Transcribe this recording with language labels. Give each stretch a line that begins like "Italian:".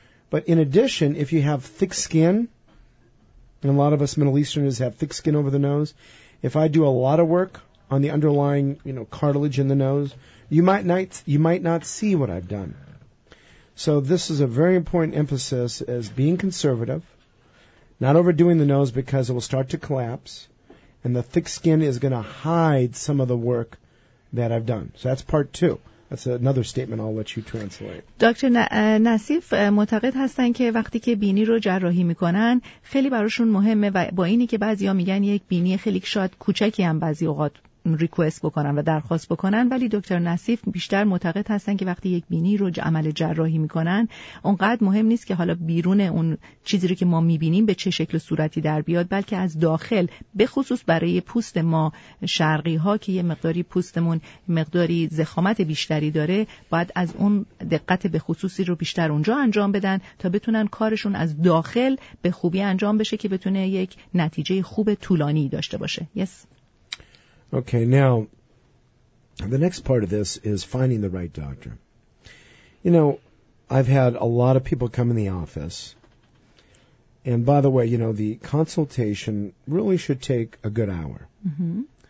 English: But in addition, if you have thick skin, and a lot of us Middle Easterners have thick skin over the nose, if I do a lot of work on the underlying, you know, cartilage in the nose, you might not see what I've done. So this is a very important emphasis, as being conservative, not overdoing the nose because it will start to collapse, and the thick skin is going to hide some of the work that I've done. So that's part two. That's another statement I'll let you translate.
Persian: دکتر نصیف معتقد هستن که وقتی که بینی رو جراحی میکنن خیلی براشون مهمه، و با اینی که بعضیا میگن یک بینی خیلی شاد کوچکی هم بعضی اوقات ریکوست بکنن و درخواست بکنن، ولی دکتر نصیف بیشتر معتقد هستن که وقتی یک بینی رو عمل جراحی میکنن اونقدر مهم نیست که حالا بیرون اون چیزی رو که ما میبینیم به چه شکل و صورتی در بیاد، بلکه از داخل، به خصوص برای پوست ما شرقی ها که یه مقداری پوستمون مقداری ضخامت بیشتری داره، باید از اون دقت به خصوصی رو بیشتر اونجا انجام بدن تا بتونن کارشون از داخل به خوبی انجام بشه که بتونه یک نتیجه خوب طولانی داشته باشه.
English: Yes. Okay, now, the next part of this is finding the right doctor. You know, I've had a lot of people come in the office. And by the way, you know, the consultation really should take a good hour. Mm-hmm.